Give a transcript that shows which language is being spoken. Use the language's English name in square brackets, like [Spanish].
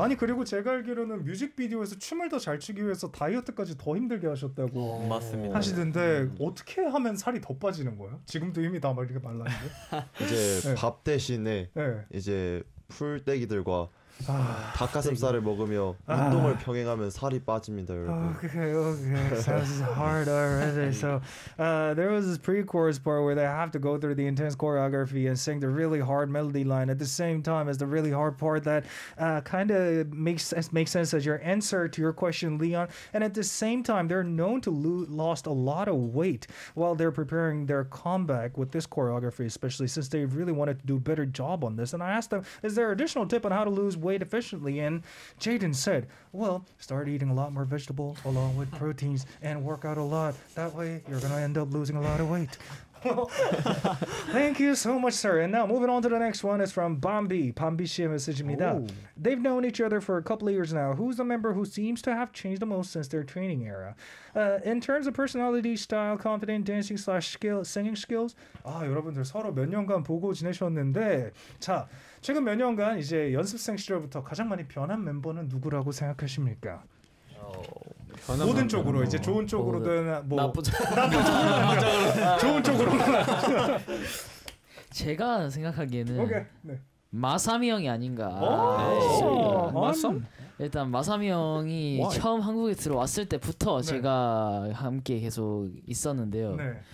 [Korean] 아니 그리고 제가 알기로는 뮤직비디오에서 춤을 더 잘 추기 위해서 다이어트까지 더 힘들게 하셨다고 맞습니다. 하시던데 어떻게 하면 살이 더 빠지는 거예요? 지금도 이미 다 말리게 말랐는데 이제 네. 밥 대신에 네. 이제 풀떼기들과 아, 닭가슴살을 네. 먹으며 운동을 아, 병행하면 살이 빠집니다, 여러분. [English] Okay, okay. Sounds hard already. So, there was this pre-chorus part where they have to go through the intense choreography and sing the really hard melody line at the same time as the really hard part that kind of makes sense as your answer to your question, Leon. And at the same time, they're known to lost a lot of weight while they're preparing their comeback with this choreography, especially since they really wanted to do a better job on this. And I asked them, is there an additional tip on how to lose weight efficiently and Jaden said well start eating a lot more vegetable along with proteins and work out a lot that way you're gonna end up losing a lot of weight thank you so much sir and now moving on to the next one is from Bambi [Korean] Bambi 씨의 메시지입니다 [English] they've known each other for a couple of years now who's the member who seems to have changed the most since their training era in terms of personality style confident dancing slash skill singing skills [Korean] 아 여러분들 서로 몇 년간 보고 지내셨는데 자 최근 몇 년간 이제 연습생 시절부터 가장 많이 변한 멤버는 누구라고 생각하십니까? 변한 모든 멤버. 쪽으로 이제 좋은 쪽으로든 뭐 나쁜 쪽으로 좋은 쪽으로 제가 생각하기에는 마사미 형이 아닌가 마섬? 일단 마사미 형이 [English] Why? [Korean] 처음 한국에 들어왔을 때부터 네. 제가 함께 계속 있었는데요. 네.